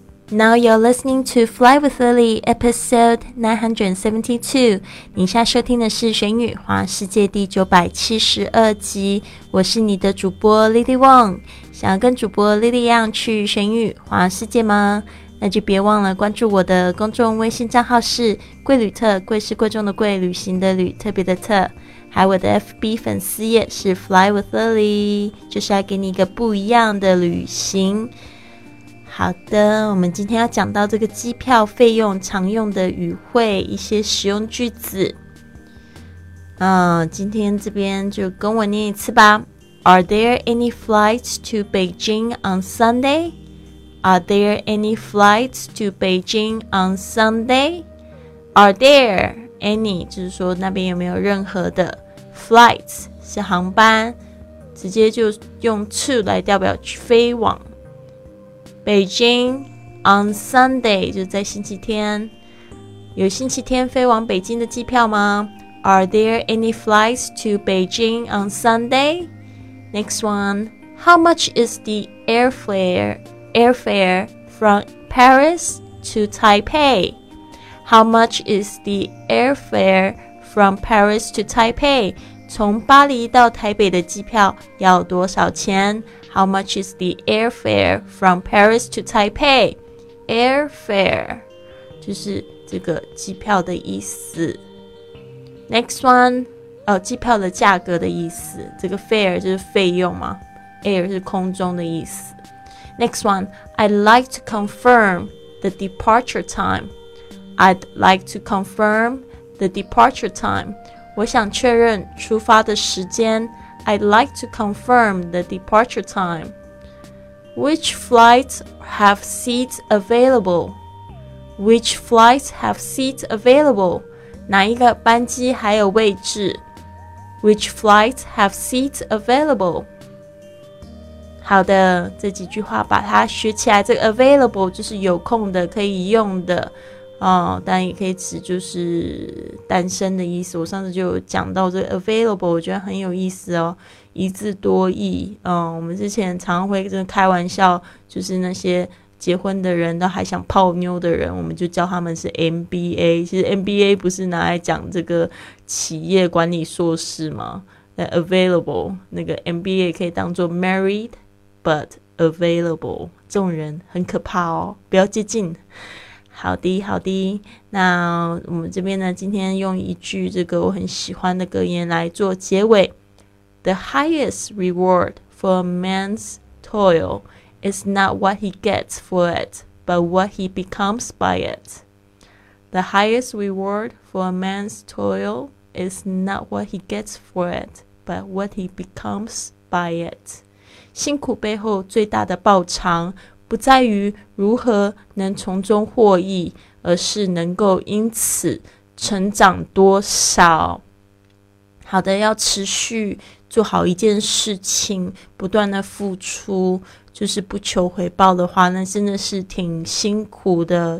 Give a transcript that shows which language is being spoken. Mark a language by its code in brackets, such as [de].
[en] Now you're listening to Fly with Lily, episode 972. [zh] 你现在收听的是《学英语环游世界》第972集。我是你的主播 Lily Wong。想要跟主播 Lily 一样去学英语环游世界吗？那就别忘了关注我的公众微信账号是“贵旅特”，贵是贵重的贵，旅行的旅，特别的特。还有我的 FB 粉丝页是 Fly with Lily， 就是来给你一个不一样的旅行。好的，我们今天要讲到这个机票费用常用的语汇，一些实用句子。今天这边就跟我念一次吧。 [en] Are there any flights to Beijing on Sunday? Are there any flights to Beijing on Sunday? Are there any? [zh] 就是说那边有没有任何的 flights 是航班，直接就用 to 来代表飞往。 [en] Beijing on Sunday [zh] 就是在星期天，有星期天飞往北京的机票吗？ [en] Are there any flights to Beijing on Sunday? Next one, how much is the airfare from Paris to Taipei? How much is the airfare from Paris to Taipei? [zh] 从巴黎到台北的机票要多少钱？ [en] How much is the airfare from Paris to Taipei? [zh] Airfare 就是这个机票的意思。 [en] Next one， [zh] 机票的价格的意思。这个 fare 就是费用嘛。 Air 是空中的意思。 [en] Next one， I'd like to confirm the departure time. I'd like to confirm the departure time. [zh] 我想确认出发的时间。 [en] I'd like to confirm the departure time. Which flights have seats available? Which flights have seats available? [zh] 哪一个班机还有位置？ [en] Which flights have seats available? [zh] 好的，这几句话把它学起来。这个 available 就是有空的，可以用的。但也可以指就是单身的意思。我上次就有讲到这个 available， 我觉得很有意思哦，一字多义。我们之前常会真的开玩笑，就是那些结婚的人都还想泡妞的人，我们就叫他们是 MBA。其实 MBA 不是拿来讲这个企业管理硕士吗？那 available 那个 MBA 可以当做 [en] married but available， [zh] 这种人很可怕哦，不要接近。好的好的，那我们这边呢，今天用一句这个我很喜欢的格言来做结尾。 [en] The highest reward for a man's toil is not what he gets for it, but what he becomes by it. The highest reward for a man's toil is not what he gets for it, but what he becomes by it. [zh] 辛苦背后最大的报偿不在于如何能从中获益，而是能够因此成长多少。好的，要持续做好一件事情，不断的付出，就是不求回报的话，那真的是挺辛苦的。